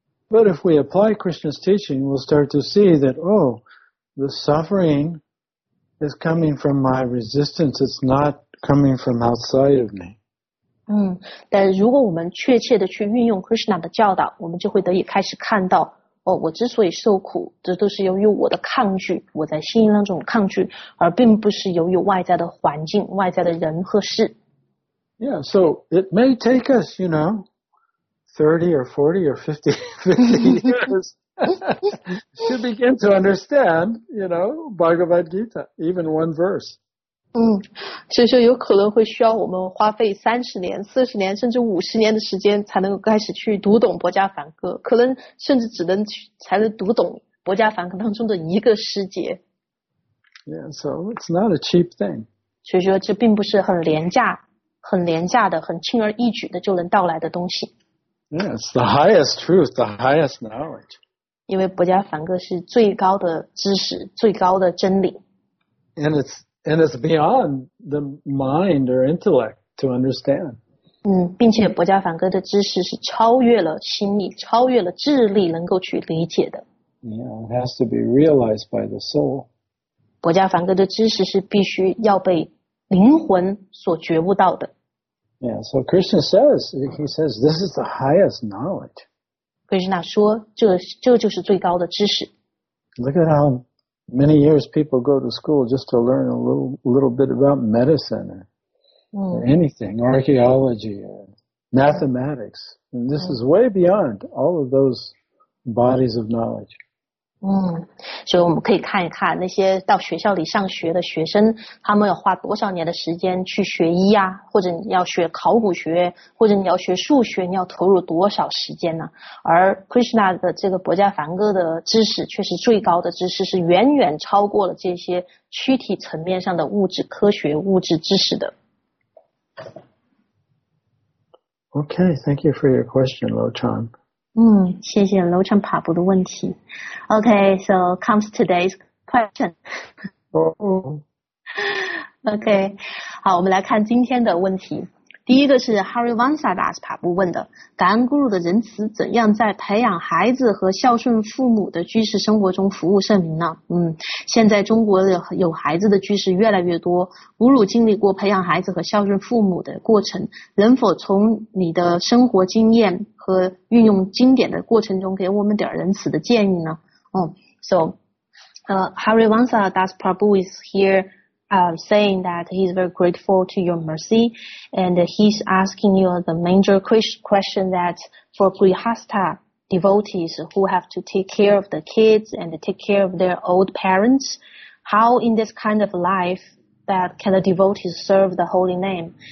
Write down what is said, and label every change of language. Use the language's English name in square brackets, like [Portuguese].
[English] But if we apply Krishna's teaching, we'll start to see that, oh, the suffering is coming from my resistance. It's not coming from outside of me. [Chinese] 但如果我们确切的去运用 Krishna 的教导，我们就会得以开始看到，哦，我之所以受苦，这都是由于我的抗拒，我在心灵当中抗拒，而并不是由于外在的环境、外在的人和事。 [English] Yeah, so it may take us, you know, 30 or 40 or 50 years to begin to understand, you know, Bhagavad Gita, even one verse. [Chinese] 所以说有可能会需要我们花费30年、40年甚至50年的时间才能够开始去读懂博迦梵歌，可能甚至只能去才能读懂博迦梵歌当中的一个诗节。 [English] Yeah, so it's not a cheap thing. [Chinese] 所以说这并不是很廉价。很廉价的，很轻而易举的就能到来的东西。 [English] Yeah, it's the highest truth, the highest knowledge. [Chinese] 因为博迦梵歌是最高的知识，最高的真理。 [English] And it's beyond the mind or intellect to understand. [Chinese] 并且博迦梵歌的知识是超越了心理，超越了智力能够去理解的。 [English] Yeah, it has to be realized by the soul. [Chinese] 博迦梵歌的知识是必须要被灵魂所觉悟到的。 [English] Yeah, so Krishna says, he says, this is the highest knowledge. [Chinese] Krishna 说，这就是最高的知识。 [English] Look at how many years people go to school just to learn a little bit about medicine or anything, archaeology or mathematics. And this is way beyond all of those bodies of knowledge. [Chinese] 所以我们可以看一看那些到学校里上学的学生，他们要花多少年的时间去学医啊，或者你要学考古学，或者你要学数学，你要投入多少时间呢？而 Krishna 的这个博迦梵歌的知识却是最高的知识，是远远超过了这些躯体层面上的物质科学物质知识的。 [English] Okay, thank you for your question, Lo Chan. [Chinese] 谢谢楼昌帕布的问题。 [English] Okay, so comes today's question. [Chinese] Okay, 好，我们来看今天的问题。第一个是 Harivansa Das 帕布问的，感恩 Guru 的仁慈怎样在培养孩子和孝顺父母的居士生活中服务圣明呢？现在中国有孩子的居士越来越多， Guru 经历过培养孩子和孝顺父母的过程，能否从你的生活经验和运用经典的过程中给我们点仁慈的建议呢？ [English] Harivansa Das Prabhu is here saying that he's very grateful to your mercy, and he's asking you the major question that for Grihastha devotees who have to take care of the kids and take care of their old parents, how in this kind of life that can the devotees serve the holy name?